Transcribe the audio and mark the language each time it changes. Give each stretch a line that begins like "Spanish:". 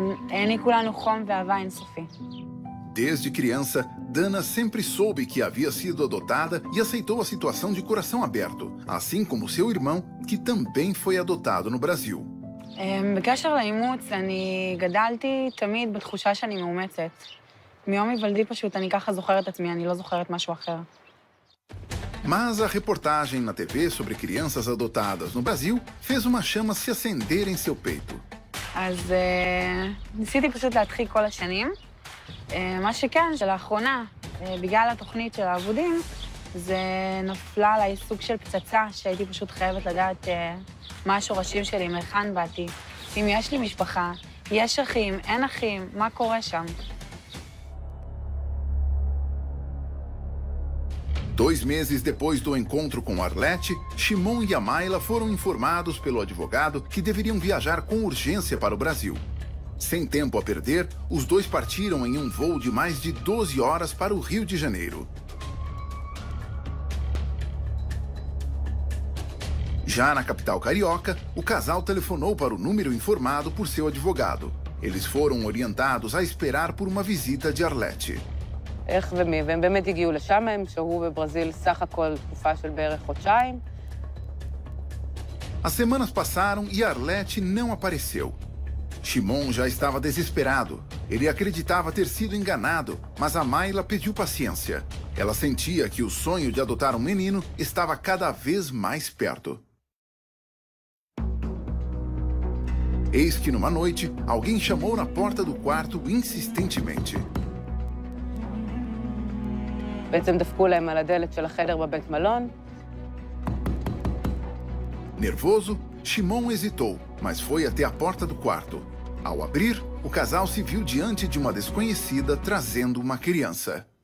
Hebrew: אין לי כולנו חום ואהבה אינסופי.
Portuguese: Desde criança, Dana sempre soube que havia sido adotada e aceitou a situação de coração aberto, assim como seu irmão, que também foi adotado no Brasil.
Hebrew: בקשר לאימוץ, אני גדלתי תמיד בתחושה שאני מאומצת. מיום היוולדי פשוט אני ככה זוכרת את עצמי, אני לא זוכרת משהו אחר.
Portuguese: Mas a reportagem na TV sobre crianças adotadas no Brasil fez uma chama se acender em seu peito.
Hebrew: אז ניסיתי פשוט להתחיל כל השנים. מה שכן, שלאחרונה, בגלל התוכנית של העבודים, זה נפלה עליי סוג של פצצה שהייתי פשוט חייבת לדעת מה השורשים שלי, מהיכן באתי. אם יש לי משפחה, יש אחים, אין אחים, מה קורה שם?
Portuguese: Dois meses depois do encontro com Arlete, Shimon e Amayla foram informados pelo advogado que deveriam viajar com urgência para o Brasil. Sem tempo a perder, os dois partiram em um voo de mais de 12 horas para o Rio de Janeiro. Já na capital carioca, o casal telefonou para o número informado por seu advogado. Eles foram orientados a esperar por uma visita de Arlete.
Hebrew: איך ומי, והם באמת הגיעו לשם, הם שהו בברזיל סך הכל תקופה של בערך חודשיים.
Portuguese: As semanas passaram e Arlete não apareceu. Shimon já estava desesperado. Ele acreditava ter sido enganado, mas Amayla pediu paciência. Ela sentia que o sonho de adotar um menino estava cada vez mais perto. Eis que numa noite, alguém chamou na porta do quarto insistentemente.
Hebrew: בעצם דפקו להם על הדלת של החדר בבית מלון.
Portuguese: Nervoso, Shimon hesitou, mas foi até a porta do quarto. Ao abrir, o casal se viu diante de uma desconhecida trazendo uma criança.